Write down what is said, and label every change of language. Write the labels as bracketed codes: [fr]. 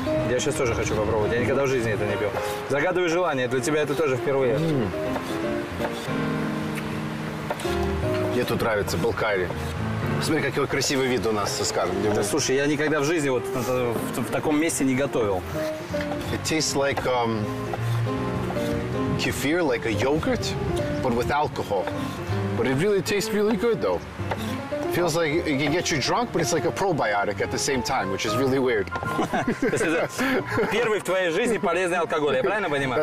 [ru] Я сейчас тоже хочу попробовать. Я никогда в жизни это не пил. Загадывай желание. Для тебя это тоже впервые. Mm. Мне тут нравится Балкари. Смотри, какой красивый вид у нас, скажем. Да, слушай, я никогда в жизни вот в таком месте не готовил. [en] It tastes like kefir, like a yogurt, but with alcohol. But it really tastes really good, though. It feels like it can get you drunk, but it's like a probiotic at the same time, which is really weird. [ru] Первый в твоей жизни полезный алкоголь, я правильно понимаю?